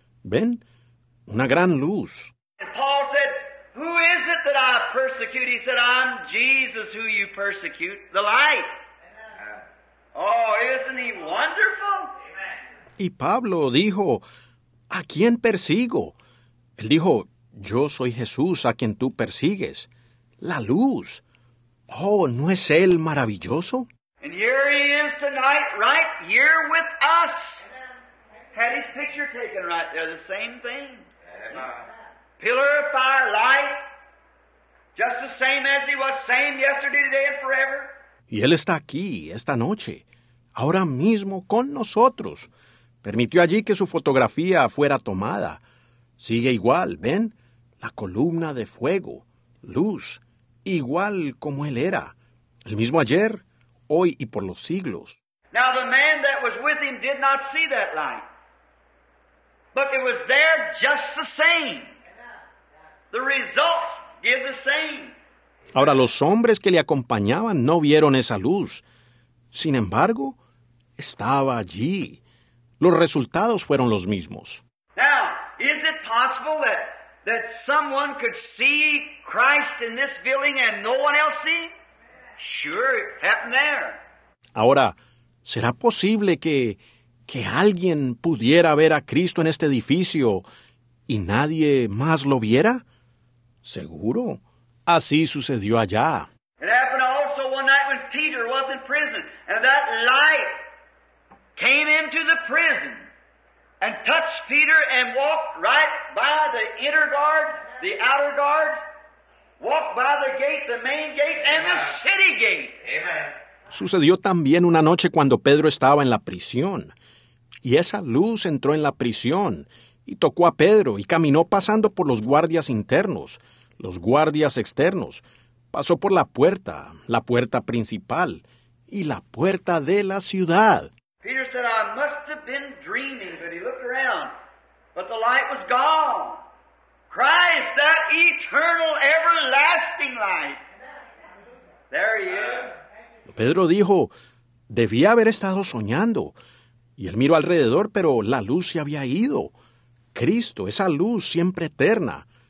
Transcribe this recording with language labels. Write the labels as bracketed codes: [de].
[es] ¿Ven? Una gran luz. [en] And Paul said, who is it that I persecute? He said, I'm Jesus who you persecute, the light. Oh, isn't he wonderful? [es] Y Pablo dijo, ¿a quién persigo? Él dijo, yo soy Jesús a quien tú persigues, la luz. Oh, ¿no es él maravilloso? [en] And here he is tonight, right here with us. Amen. Had his picture taken right there, the same thing. Amen. Pillar of fire, light, just the same as he was, same yesterday, today, and forever. [es] Y él está aquí, esta noche, ahora mismo, con nosotros. Permitió allí que su fotografía fuera tomada. Sigue igual, ¿ven? La columna de fuego, luz, igual como él era. El mismo ayer, hoy y por los siglos. [en] Now the man that was with him did not see that light. But it was there just the same. The results give the same. [es] Ahora los hombres que le acompañaban no vieron esa luz. Sin embargo, estaba allí. Los resultados fueron los mismos. [en] Now, is it possible that someone could see Christ in this building and no one else see? Sure, it happened there. [es] Ahora, ¿será posible que alguien pudiera ver a Cristo en este edificio y nadie más lo viera? Seguro, así sucedió allá. [en] It happened also one night when Peter was in prison, and that light came into the prison and touched Peter and walked right by the inner guards, the outer guards. Walk by the gate, the main gate, and the city gate. Amen. [es] Sucedió también una noche cuando Pedro estaba en la prisión. Y esa luz entró en la prisión y tocó a Pedro y caminó pasando por los guardias internos, los guardias externos. Pasó por la puerta principal y la puerta de la ciudad. [en] Peter said, I must have been dreaming, but he looked around, but the light was gone. Christ, that eternal, everlasting light. There he is. [es] Pedro dijo, debía haber estado soñando. Y él miró alrededor, pero la luz se había ido. Cristo, esa luz siempre eterna.